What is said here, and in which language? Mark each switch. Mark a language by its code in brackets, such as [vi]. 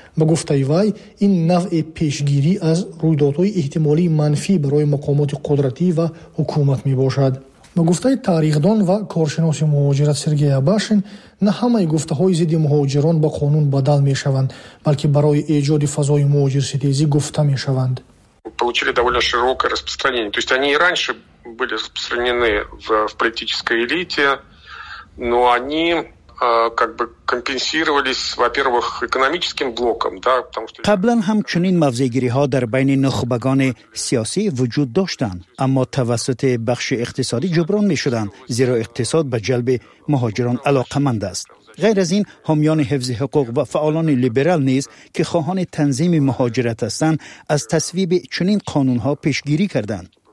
[fa] به گفته وی این نوع پیشگیری از رویدادهای احتمالی منفی برای مقامات قدرتی و حکومت می‌باشد. با گفته تاریخ‌دان و کارشناس مهاجرت سرگئی آباشین، نه همه گفته‌های ضد مهاجران به قانون بدل می‌شوند، بلکه برای ایجاد فضای مهاجرستیزی گفته می‌شوند. [ru] получили довольно широкое распространение. То есть они и раньше были распространены в политической элите, но они как бы компенсировались, во-первых, экономическим блоком, да, потому что [fa] قبلاً هم چنین موضع‌گیری‌ها در بین نخبگان سیاسی وجود داشتند، اما توسط بخش اقتصادی جبران می‌شدند، زیرا اقتصاد به جلب مهاجران علاقمند است. غیر از این، حامیان حفظ حقوق و فعالان لیبرال نیز که خواهان تنظیم مهاجرت هستند، از تصویب چنین قانون‌ها پیشگیری کردند.